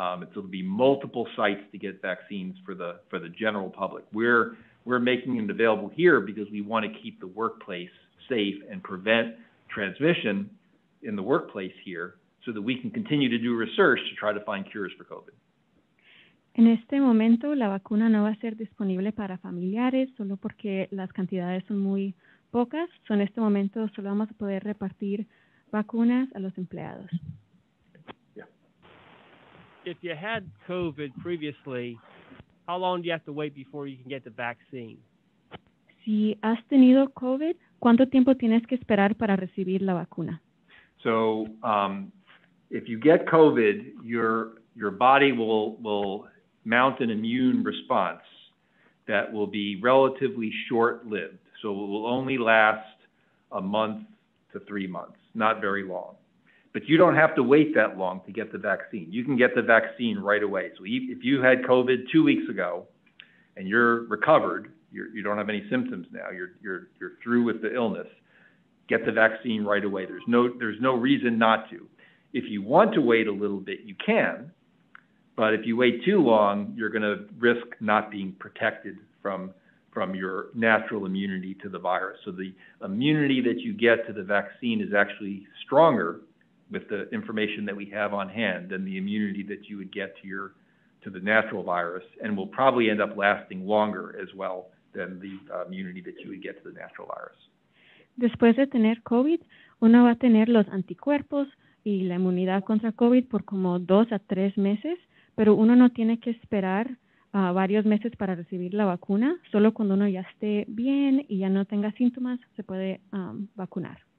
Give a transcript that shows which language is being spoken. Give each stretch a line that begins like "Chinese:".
English: It'll be multiple sites to get vaccines for the general public. We're making it available here because we want to keep the workplace safe and prevent transmission in the workplace here so that we can continue to do research to try to find cures for COVID.
Spanish: En este momento, la vacuna no va a ser disponible para familiares solo porque las cantidades son muy pocas. So en este momento, solo vamos a poder repartir vacunas a los empleados.
English: Yeah. If you had COVID previously, how long do you have to wait before you can get the vaccine?
Spanish: Si has tenido COVID, ¿cuánto tiempo tienes que esperar para recibir la vacuna?
English: So, if you get COVID, your body will mount an immune response that will be relatively short-lived. So it will only last a month to 3 months, not very long. But you don't have to wait that long to get the vaccine. You can get the vaccine right away. So if you had COVID 2 weeks ago and you're recovered, you don't have any symptoms now, you're through with the illness, get the vaccine right away. There's no reason not to. If you want to wait a little bit, you can. But if you wait too long, you're going to risk not being protected from your natural immunity to the virus. So the immunity that you get to the vaccine is actually stronger with the information that we have on hand than the immunity that you would get to the natural virus, and will probably end up lasting longer as well than the immunity that you would get to the natural virus.
Spanish: Después de tener COVID, uno va a tener los anticuerpos y la inmunidad contra COVID por como 2 a 3 meses. Pero uno no tiene que esperar varios meses para recibir la vacuna. Solo cuando uno ya esté bien y ya no tenga síntomas, se puede vacunar.